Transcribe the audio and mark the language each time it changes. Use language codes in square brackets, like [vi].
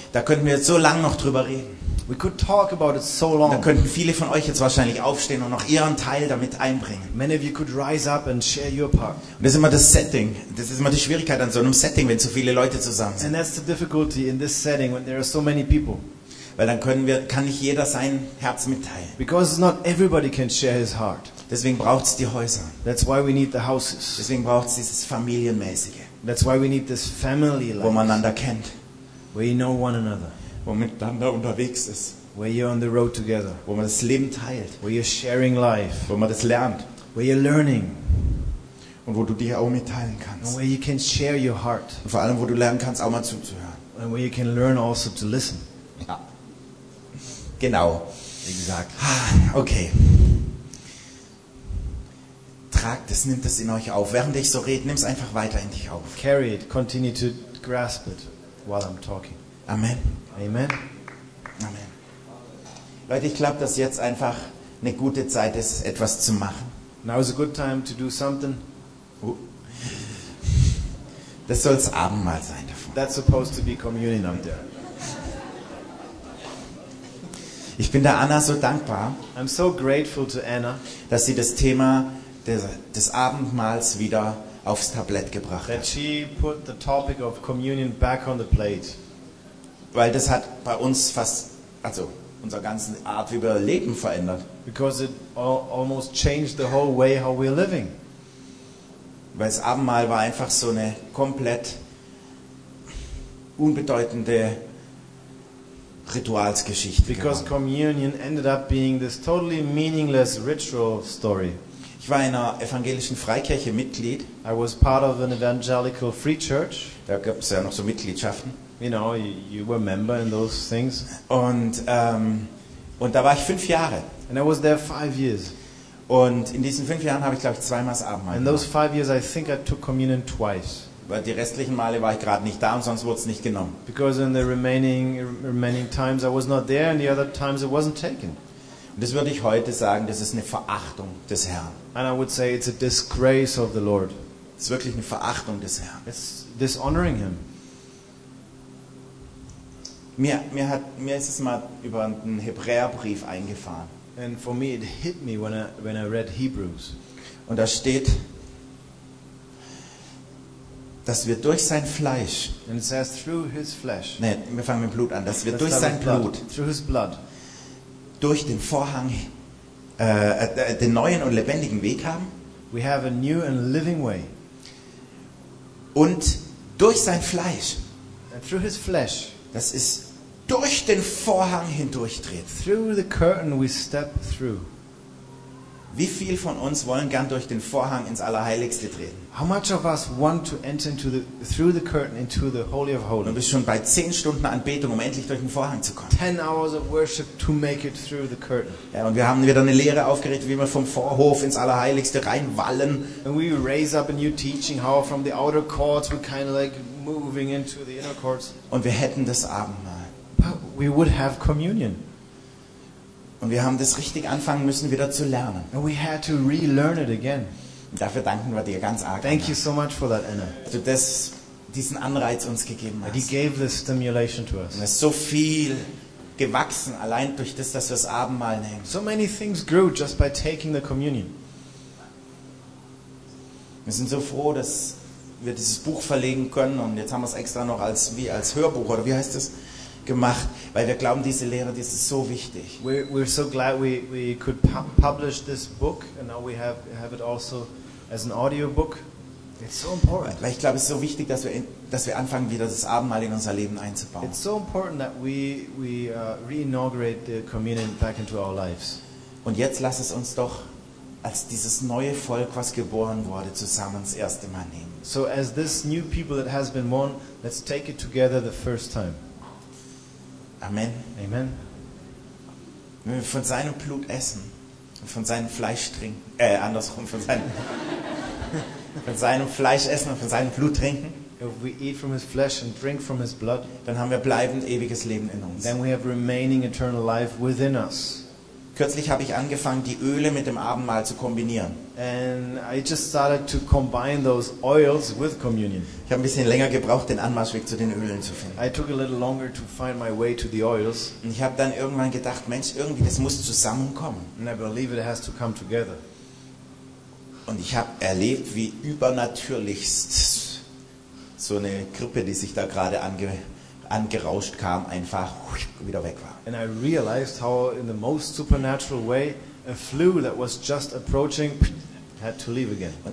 [de] Da könnten wir jetzt so lang noch drüber reden. [en] We could talk about it so long. [de] Da könnten viele von euch jetzt wahrscheinlich aufstehen und noch ihren Teil damit einbringen. [en] Many of you could rise up and share your part. [de] Und das ist immer das Setting. Das ist immer die Schwierigkeit an so einem Setting, wenn so viele Leute zusammen sind. [en] And that's the difficulty in this setting when there are so many people. [de] Weil dann können wir, kann nicht jeder sein Herz mitteilen. [en] Because not everybody can share his heart. [de] Deswegen braucht es die Häuser. [en] That's why we need the houses. [de] Deswegen braucht es dieses Familienmäßige. [en] That's why we need this family life. [de] Wo man einander kennt. [en] Where you know one another. [de] Wo man miteinander unterwegs ist. [en] Where you're on the road together. [de] Wo man das Leben teilt. [en] Where you're sharing life. [de] Wo man das lernt. [en] Where you're learning. [de] Und wo du dich auch mitteilen kannst. [en] And where you can share your heart. [de] Und vor allem, wo du lernen kannst, auch mal zuzuhören. [en] And where you can learn also to listen. [de] Ja. Genau. Exakt. Okay. Tragt es, nimmt es in euch auf. Während ich so rede, nimm es einfach weiter in dich auf. [en] Carry it, continue to grasp it while I'm talking. Amen. Amen. Amen. [de] Leute, ich glaube, dass jetzt einfach eine gute Zeit ist, etwas zu machen. [en] Now is a good time to do something. [de] Das soll das Abendmahl sein davon. [en] That's supposed to be communion up there. [de] Ich bin der Anna so dankbar, [en] I'm so grateful to Anna, [de] dass sie das Thema des Abendmahls wieder aufs Tablett gebracht [en] that she put the topic of communion back on the plate. [de] Weil das hat bei uns fast, also unsere ganze Art, wie wir leben, verändert. [en] Because it almost changed the whole way how we're living. [de] Weil das Abendmahl war einfach so eine komplett unbedeutende Ritualsgeschichte. [en] Because gerade. Communion ended up being this totally meaningless ritual story. [de] Ich war in einer evangelischen Freikirche Mitglied. [en] I was part of an evangelical free church. [de] Da gab es ja noch so Mitgliedschaften. [en] You know, you were a member in those things. [de] Und da war ich 5 Jahre. [en] And I was there 5 years. [de] Und in diesen 5 Jahren habe ich, glaube ich, 2 Mal das Abendmahl gemacht. [en] In those 5 years, I think I took communion twice. [de] Weil die restlichen Male war ich gerade nicht da und sonst wurde es nicht genommen. [en] Because in the remaining times I was not there and the other times it wasn't taken. [de] Und das würde ich heute sagen, das ist eine Verachtung des Herrn. [en] And I would say it's a disgrace of the Lord. [de] Es ist wirklich eine Verachtung des Herrn. [en] It's dishonoring him. [de] Mir ist es mal über einen Hebräerbrief eingefahren. [en] And for me it hit me when I read Hebrews. [de] Und da steht, dass wir durch sein Fleisch, [en] and it says through his flesh. [de] Nee, wir fangen mit Blut an, dass wir durch sein Blut, [en] through his blood, [de] durch den Vorhang den neuen und lebendigen Weg haben. [en] We have a new and living way. [de] Und durch sein Fleisch, [en] and through his flesh, [de] das ist durch den Vorhang hindurchtritt. [en] Through the curtain we step through. [de] Wie viel von uns wollen gern durch den Vorhang ins Allerheiligste treten? [en] How much of us want to enter into the through the curtain into the Holy of Holies? [de] Du bist schon bei 10 Stunden Anbetung, um endlich durch den Vorhang zu kommen. [en] 10 hours of worship to make it through the curtain. [de] Ja, und wir haben wieder eine Lehre aufgerichtet, wie wir vom Vorhof ins Allerheiligste reinwallen. [en] And we raise up a new teaching how from the outer courts we kind of like moving into the inner courts. [de] Und wir hätten das Abendmahl. [en] But we would have communion. [de] Und wir haben das richtig anfangen müssen, wieder zu lernen. [en] And we had to relearn it again. [de] Und dafür danken wir dir ganz arg. [en] Thank you so much for that, Anna. [de] Dass du das, diesen Anreiz uns gegeben hast. [en] He gave this stimulation to us. [de] Und es ist so viel gewachsen, allein durch das, dass wir das Abendmahl nehmen. [en] So many things grew just by taking the communion. [de] Wir sind so froh, dass wir dieses Buch verlegen können. Und jetzt haben wir es extra noch als Hörbuch, oder wie heißt das? Gemacht, weil wir glauben, diese Lehre, die ist so wichtig. [en] We're so glad we could publish this book and now we have it also as an audio book. It's so important. [de] Weil ich glaube, es ist so wichtig, dass wir anfangen, wieder das Abendmahl in unser Leben einzubauen. [en] It's so important that we reinaugurate the communion back into our lives. [de] Und jetzt lass es uns doch als dieses neue Volk, was geboren wurde, zusammen das erste Mal nehmen. [en] So as this new people that has been born, let's take it together the first time. Amen. Amen. [de] Wenn wir von seinem Blut essen und von seinem Fleisch trinken, andersrum, von seinem Fleisch essen und von seinem Blut trinken, [en] if we eat from his flesh and drink from his blood, [de] dann haben wir bleibend ewiges Leben in uns. [en] Then we have remaining eternal life within us. [de] Kürzlich habe ich angefangen, die Öle mit dem Abendmahl zu kombinieren. [en] And I just started to combine those oils with communion. [de] Ich habe ein bisschen länger gebraucht, den Anmarschweg zu den Ölen zu finden. [en] I took a little longer to find my way to the oils. [de] Und ich habe dann irgendwann gedacht, Mensch, irgendwie, das muss zusammenkommen. [en] And I believe it has to come together. [de] Und ich habe erlebt, wie übernatürlichst so eine Grippe, die sich da gerade angerauscht kam, einfach wieder weg war. [en] And I realized how in the most supernatural way a flu that was just approaching had to leave again.